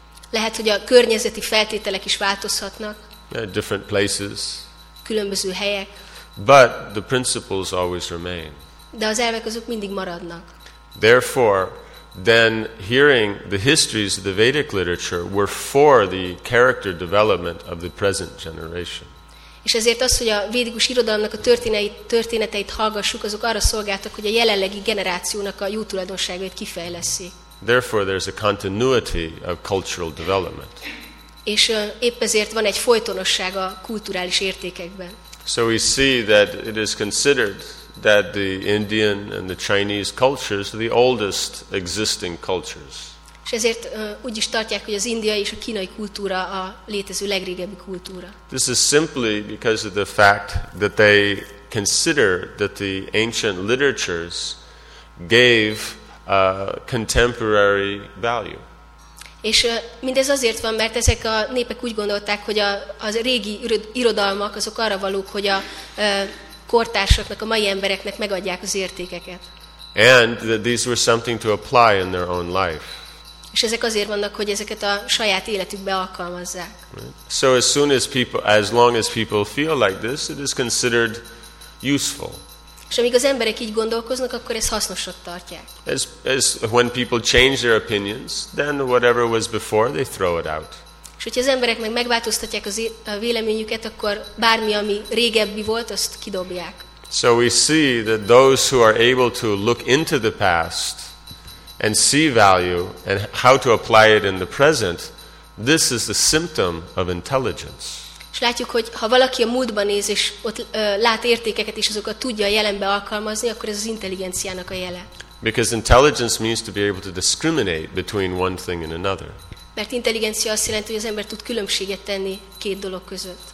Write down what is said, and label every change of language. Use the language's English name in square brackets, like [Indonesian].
[Hungarian] Lehet, hogy a környezeti feltételek is változhatnak. [English] Yeah, different places. [Hungarian] Különböző helyek. [English] But the principles always remain. [Hungarian] De az elvek azok mindig maradnak. [English] Therefore, then hearing the histories of the Vedic literature were for the character development of the present generation. [Hungarian] És ezért az, hogy a védikus irodalomnak a történeteit hallgassuk, azok arra szolgáltak, hogy a jelenlegi generációnak a jó tulajdonságait kifejlesszék. [English] Therefore there's a continuity of cultural development. [Hungarian] És épp ezért van egy folytonosság a kulturális értékekben. [English] So we see that it is considered that the Indian and the Chinese cultures are the oldest existing cultures. [Hungarian] És ezért úgy is tartják, hogy az indiai és a kínai kultúra a létező legrégebbi kultúra. [English] This is simply because of the fact that they consider that the ancient literatures gave contemporary value. [Hungarian] És mindez azért van, mert ezek a népek úgy gondolták, hogy az régi irodalmak azok arra valók, hogy a kortársaknak, a mai embereknek megadják az értékeket. [English] And that these were something to apply in their own life. [Hungarian] És ezek azért vannak, hogy ezeket a saját életükbe alkalmazzák. [English] So as soon as people, as long as people feel like this, it is considered useful. [Hungarian] És amíg az emberek így gondolkoznak, akkor ezt hasznosnak tartják. [English] As when people change their opinions, then whatever was before, they throw it out. [Hungarian] És hogyha az emberek meg megváltoztatják az a véleményüket, akkor bármi, ami régebbi volt, azt kidobják. [English] So we see that those who are able to look into the past and see value and how to apply it in the present, this is the symptom of intelligence. [Hungarian] És látjuk, hogy ha valaki a múltban néz, és ott lát értékeket, és azokat tudja a jelenbe alkalmazni, akkor ez az intelligenciának a jele. [English] Because intelligence means to be able to discriminate between one thing and another. [Hungarian] Mert intelligencia azt jelenti, hogy az ember tud különbséget tenni két dolog között.